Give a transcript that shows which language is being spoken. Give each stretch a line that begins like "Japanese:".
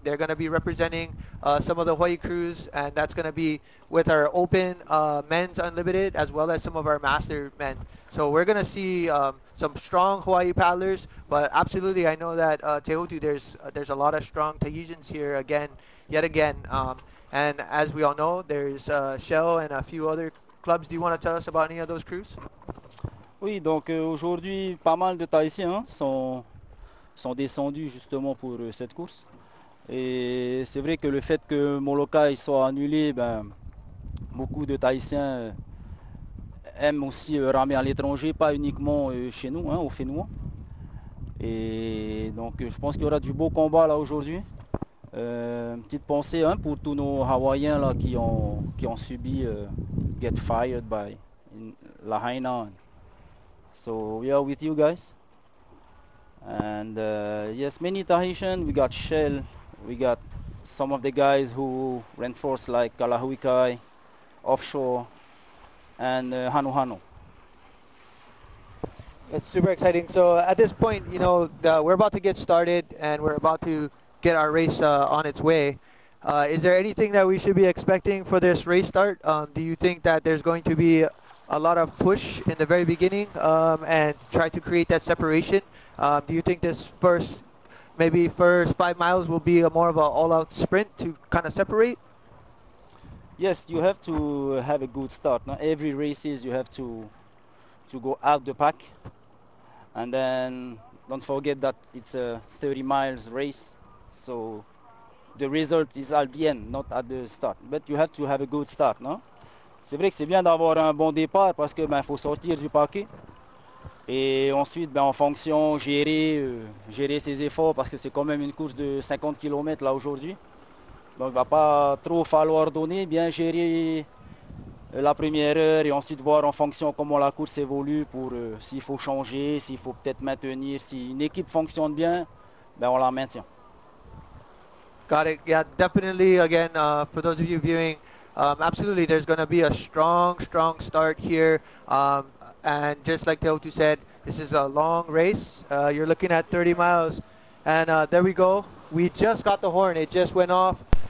English: They're going to be representing some of the Hawaii crews, and that's going to be with our open men's unlimited as well as some of our master men. So we're going to see some strong Hawaii paddlers, but absolutely I know that Tehutu, there's a lot of strong Tahitians here yet again. And as we all know, there's Shell and a few other clubs. Do you want to tell us about any of those crews?
French: Oui, donc aujourd'hui pas mal de Tahitiens sont descendus justement pour cette course. Et c'est vrai que le fait que Molokai soit annulé, ben, beaucoup de Tahitiens aiment aussi ramer à l'étranger, pas uniquement chez nous, hein, aux Fénois. Et donc je pense qu'il y aura du beau combat là aujourd'hui. Petite pensée hein, pour tous nos Hawaïens là, qui ont subi
English: get fired by Lahaina. So we are with you guys. And yes, many Tahitian, we got Shell, we got some of the guys who reinforce like Kalahuikai, Offshore, and Hanuhanu. It's super exciting. So at this point, we're about to get started and we're about to get our race on its way. Is there anything that we should be expecting for this race start? Do you think that there's going to be a lot of push in the very beginning and try to create that separation? Do you think this first 5 miles will be a more of an all-out sprint to kind of separate? Yes, you have to have a good start. Now, every race is you have to go out the pack. And then don't forget that it's a 30 miles race. So the result is at the end, not at the start. But you have to have a good start. No?
French: C'est vrai que c'est bien d'avoir un bon départ parce que faut sortir du paquet. Et ensuite, en fonction, gérer ses efforts, parce que c'est quand même une course de 50 km là aujourd'hui. Donc il ne va pas trop falloir donner, bien gérer la première heure et ensuite voir en fonction comment la course évolue, pour s'il faut changer, s'il faut peut-être maintenir. Si une équipe fonctionne bien, on la maintient.
English: Got it. Yeah, definitely, again, for those of you viewing, absolutely, there's going to be a strong, strong start here. And just like Teotu said, this is a long race. You're looking at 30 miles. And there we go. We just got the horn. It just went off.